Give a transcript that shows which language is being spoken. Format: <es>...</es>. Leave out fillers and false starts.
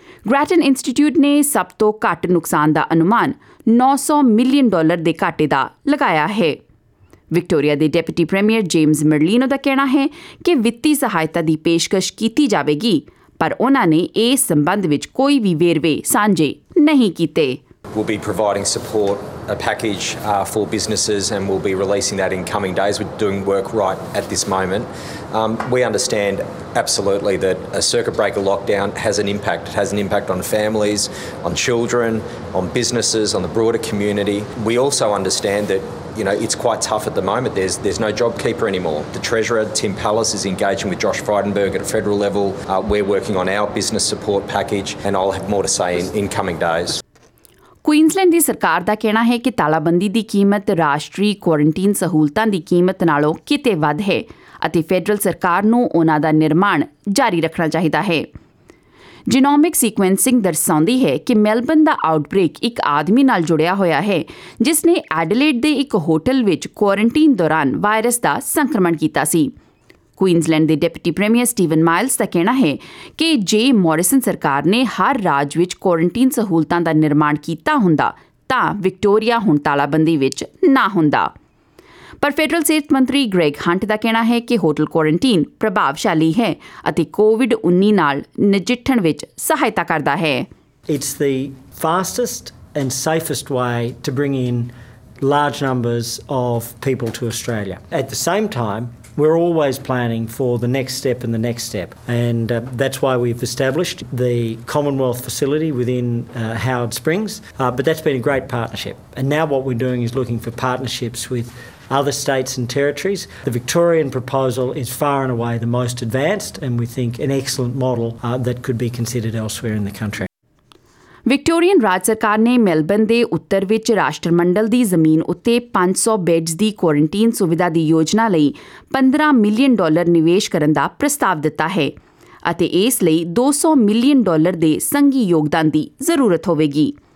<pa>Grattan institute ਨੇ ਸਭ ਤੋਂ ਘੱਟ ਨੁਕਸਾਨ ਦਾ ਅਨੁਮਾਨ $900 million ਦੇ ਘਾਟੇ ਦਾ ਲਗਾਇਆ ਹੈ। ਵਿਕਟੋਰੀਆ ਦੇ ਡਿਪਟੀ ਪ੍ਰੀਮੀਅਰ ਜੇਮਸ ਮਰਲੀਨੋ ਦਾ ਕਹਿਣਾ ਹੈ ਕਿ ਵਿੱਤੀ ਸਹਾਇਤਾ ਦੀ ਪੇਸ਼ਕਸ਼ ਕੀਤੀ ਜਾਵੇਗੀ, ਪਰ ਉਹਨਾਂ ਨੇ ਇਸ ਸੰਬੰਧ ਵਿੱਚ ਕੋਈ ਵੀ ਵੇਰਵੇ ਸਾਂਝੇ ਨਹੀਂ ਕੀਤੇ।</pa> <en>We'll be providing support, a package for businesses, and we'll be releasing that in coming days. We're doing work right at this moment. We understand absolutely that a circuit breaker lockdown has an impact. It has an impact on families, on children, on businesses, on the broader community. We also understand that, you know, it's quite tough at the moment. There's no JobKeeper anymore. The Treasurer, Tim Pallas, is engaging with Josh Frydenberg at a federal level. We're working on our business support package, and I'll have more to say in coming days.</en> <pa>Queensland ਦੀ ਸਰਕਾਰ ਦਾ ਕਹਿਣਾ ਹੈ ਕਿ ਤਾਲਾਬੰਦੀ ਦੀ ਕੀਮਤ ਰਾਸ਼ਟਰੀ quarantine ਸਹੂਲਤਾਂ ਦੀ ਕੀਮਤ ਨਾਲੋਂ ਕਿਤੇ ਵੱਧ ਹੈ ਅਤੇ ਫੈਡਰਲ ਸਰਕਾਰ ਨੂੰ ਉਹਨਾਂ ਦਾ ਨਿਰਮਾਣ ਜਾਰੀ ਰੱਖਣਾ ਚਾਹੀਦਾ ਹੈ। ਜੀਨੋਮਿਕ ਸੀਕੁਐਂਸਿੰਗ ਦਰਸਾਉਂਦੀ ਹੈ ਕਿ ਮੈਲਬਰਨ ਦਾ ਆਊਟਬ੍ਰੇਕ ਇੱਕ ਆਦਮੀ ਨਾਲ ਜੁੜਿਆ ਹੋਇਆ ਹੈ ਜਿਸ ਨੇ ਐਡਲੇਡ ਦੇ ਇੱਕ ਹੋਟਲ ਵਿੱਚ ਕੁਆਰੰਟੀਨ ਦੌਰਾਨ ਵਾਇਰਸ ਦਾ ਸੰਕਰਮਣ ਕੀਤਾ ਸੀ। ਕੁਈਨਜ਼ਲੈਂਡ ਦੇ ਡਿਪਟੀ ਪ੍ਰੀਮੀਅਰ ਸਟੀਵਨ ਮਾਈਲਸ ਦਾ ਕਹਿਣਾ ਹੈ ਕਿ ਜੇ ਮੋਰਿਸਨ ਸਰਕਾਰ ਨੇ ਹਰ ਰਾਜ ਵਿੱਚ ਕੁਆਰੰਟੀਨ ਸਹੂਲਤਾਂ ਦਾ ਨਿਰਮਾਣ ਕੀਤਾ ਹੁੰਦਾ ਤਾਂ ਵਿਕਟੋਰੀਆ ਹੁਣ ਤਾਲਾਬੰਦੀ ਵਿੱਚ ਨਾ ਹੁੰਦਾ। ਪਰ ਫੈਡਰਲ ਸਿਹਤ ਮੰਤਰੀ ਗ੍ਰੈਗ ਹੰਟ ਦਾ ਕਹਿਣਾ ਹੈ ਕਿ ਹੋਟਲ ਕੁਆਰੰਟੀਨ ਪ੍ਰਭਾਵਸ਼ਾਲੀ ਹੈ ਅਤੇ ਕੋਵਿਡ-19 ਨਾਲ ਨਜਿੱਠਣ ਵਿੱਚ ਸਹਾਇਤਾ ਕਰਦਾ ਹੈ।</pa> <en>It's the fastest and safest way to bring in large numbers of people to Australia at the same time We're always planning for the next step and the next step. And that's why we've established the Commonwealth facility within Howard Springs. But that's been a great partnership. And now what we're doing is looking for partnerships with other states and territories. The Victorian proposal is far and away the most advanced, and we think an excellent model that could be considered elsewhere in the country.</en> <pa>Victorian ਰਾਜ ਸਰਕਾਰ ਨੇ Melbourne ਦੇ ਉੱਤਰ ਵਿੱਚ ਰਾਸ਼ਟਰਮੰਡਲ ਦੀ ਜ਼ਮੀਨ ਉੱਤੇ 500 beds ਦੀ quarantine ਸੁਵਿਧਾ ਦੀ ਯੋਜਨਾ ਲਈ $15 million ਨਿਵੇਸ਼ ਕਰਨ ਦਾ ਪ੍ਰਸਤਾਵ ਦਿੱਤਾ ਹੈ ਅਤੇ ਇਸ ਲਈ $200 million ਦੇ ਸੰਘੀ ਯੋਗਦਾਨ ਦੀ ਜ਼ਰੂਰਤ ਹੋਵੇਗੀ।</pa>